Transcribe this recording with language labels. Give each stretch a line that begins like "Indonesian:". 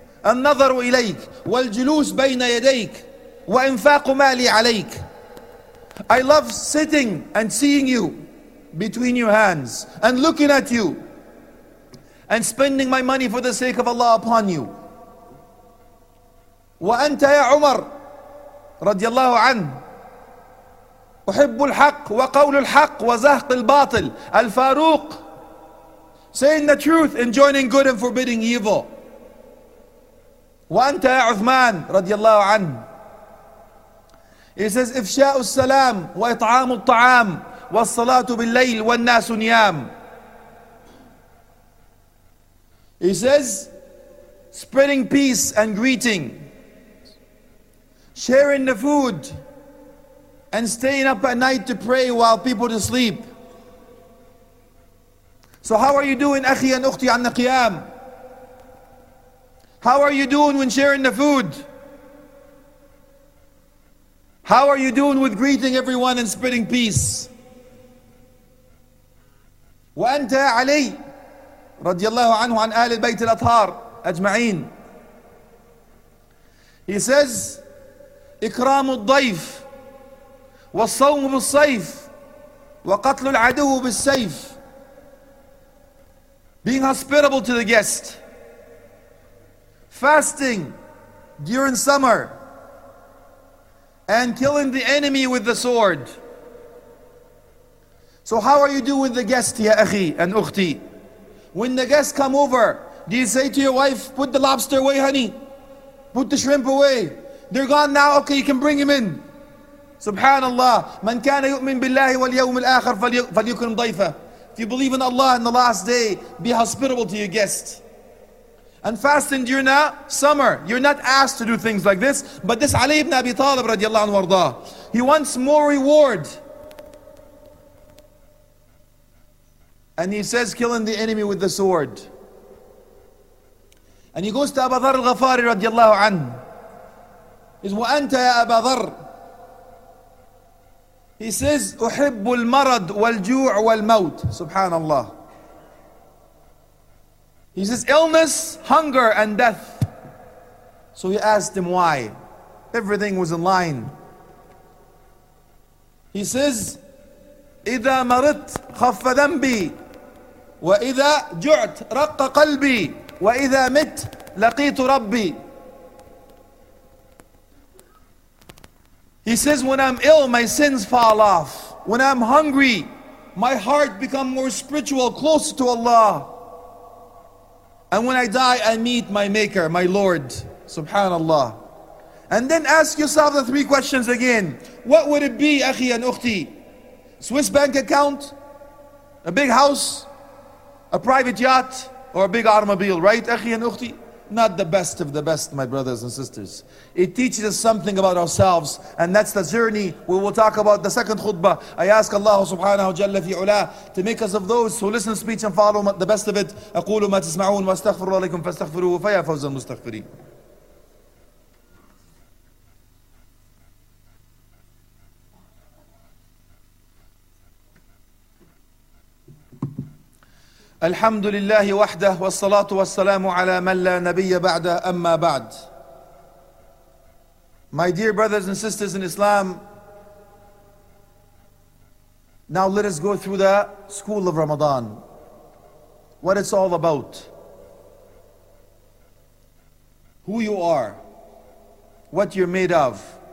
Arabic: An-nazar ilayk wal-julus bayna yadayk wa infaq mali alayk.
English: I love sitting and seeing you between your hands and looking at you and spending my money for the sake of Allah upon you.
Arabic: وأنت يا عمر رضي الله عنه أحب الحق وقول الحق وزهق الباطل.
English: الفاروق saying the truth, enjoining good and forbidding evil.
Arabic: وأنت يا عثمان رضي الله عنه.
English: He says
Arabic: إفشاء السلام وإطعام الطعام والصلاة بالليل والناس نيام.
English: He says spreading peace and greeting, sharing the food and staying up at night to pray while people to sleep. So how are you doing,
Arabic: أخي
English: and
Arabic: أختي,
English: عن القيام? How are you doing when sharing the food? How are you doing with greeting everyone and spreading peace?
Arabic: وأنت يا علي رضي الله عنه عن آل البيت الأطهار أجمعين.
English: He says
Arabic: إكرام الضيف والصوم بالصيف وقتل العدو بالسيف.
English: Being hospitable to the guest. Fasting during summer and killing the enemy with the sword. So how are you doing with the guest,
Arabic: يا أخي
English: and
Arabic: أختي?
English: When the guests come over, do you say to your wife, put the lobster away, honey? Put the shrimp away. They're gone now, okay, you can bring him in.
Arabic: Subhanallah. من كان يؤمن بالله واليوم الآخر فليكرم ضيفه.
English: If you believe in Allah in the last day, be hospitable to your guest. And fasting during the summer. You're not asked to do things like this. But this Ali ibn Abi Talib radiallahu anhu warda, he wants more reward. And he says, killing the enemy with the sword. And he goes to Abu Dharr al-Ghafari radiallahu anhu. He says,
Arabic: وَأَنْتَ يَا أَبَا ذَرِّ.
English: He says,
Arabic: أُحِبُّ الْمَرَضْ وَالْجُوعُ وَالْمَوْتِ. Subhanallah.
English: He says, illness, hunger, and death. So he asked him why. Everything was in line. He says,
Arabic: إِذَا مَرِضْ خَفَّ ذَنْبِي وَإِذَا جُعْتْ رَقَّ قَلْبِي وَإِذَا مِتْ لَقِيتُ رَبِّي.
English: He says, when I'm ill, my sins fall off. When I'm hungry, my heart becomes more spiritual, closer to Allah. And when I die, I meet my Maker, my Lord, subhanallah. And then ask yourself the three questions again. What would it be,
Arabic: أخي
English: and
Arabic: أختي?
English: Swiss bank account? A big house? A private yacht? Or a big automobile, right,
Arabic: أخي
English: and
Arabic: أختي?
English: Not the best of the best, my brothers and sisters. It teaches us something about ourselves, and that's the journey we will talk about the second khutbah. I ask Allah
Arabic: subhanahu wa jalla fi ula
English: to make us of those who listen to speech and follow the best of it.
Arabic: أقولوا ما تسمعون واستغفروا عليكم فاستغفروا فيا فوز المستغفرين. الحمد لله وحده والصلاة والسلام على من لا نبي بعده أما بعد.
English: My dear brothers and sisters in Islam, now let us go through the school of Ramadan. What it's all about. Who you are. What you're made of.